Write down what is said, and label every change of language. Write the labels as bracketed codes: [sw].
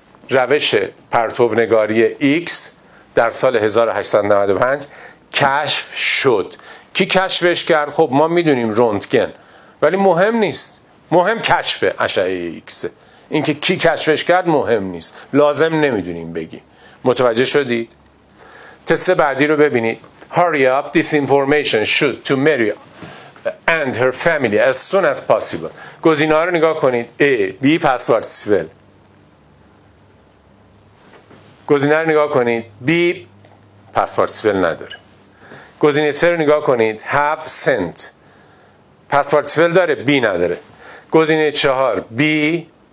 [fa] روش پرتو نگاری X در سال 1895 کشف شد. کی کشفش کرد؟ خب ما میدونیم رونتگن، ولی مهم نیست، مهم کشف اشعه ایکس. اینکه کی کشفش کرد مهم نیست، لازم نمیدونیم بگی. متوجه شدید؟ تست بعدی رو ببینید. [en] Hurry up, this information should to Mary and her family as soon as possible. [fa] گزینه ها رو نگاه کنید. A B پس پارتیسیپل. گزینه رو نگاه کنید. B پس پارتیسیپل نداره. گزینه سه رو نگاه کنید. [en] Have sent. [fa] پس پارتیسیپل داره، بی نداره. گزینه چهار، بی